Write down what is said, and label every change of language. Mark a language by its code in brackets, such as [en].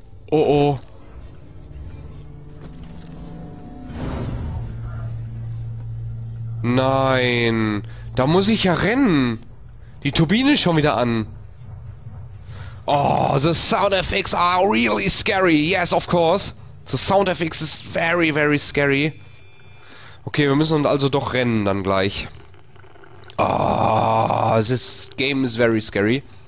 [de] Oh. Nein. Da muss ich ja rennen. Die Turbine ist schon wieder an. [en] Oh, the sound effects are really scary. Yes, of course. The sound effects is very, very scary. [de] Okay, wir müssen uns also doch rennen dann gleich. [en] Oh, this game is very scary.